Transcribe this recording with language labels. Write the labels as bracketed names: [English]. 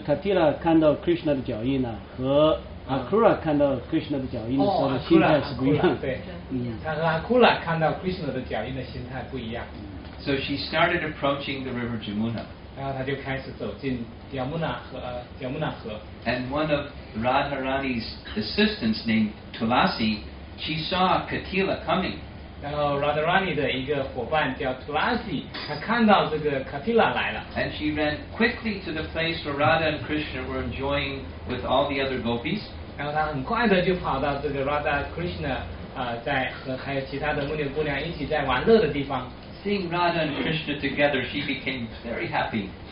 [Chinese] Katila 看到 Krishna 的脚印呢，和 Akura 看到 Krishna 的脚印的时候的心态是不一样。对，嗯，他和 Akura 看到 Krishna 的脚印的心态不一样。So [English] she started approaching the river Jamuna. [Chinese] 然后他就开始走进雅穆纳河。 [English] And one of Radharani's assistants named Tulasi, she saw Katila coming. [Chinese] 然后Radharani的一个伙伴叫Tulasi, 他看到这个Katila来了。 [English] And she ran quickly to the place where Radha and Krishna were enjoying with all the other gopis. [Chinese] 然后他很快的就跑到这个Radha Krishna, 在和还有其他的牟尼姑娘一起在玩乐的地方。 [English] Seeing Radha and Krishna together, she became very happy.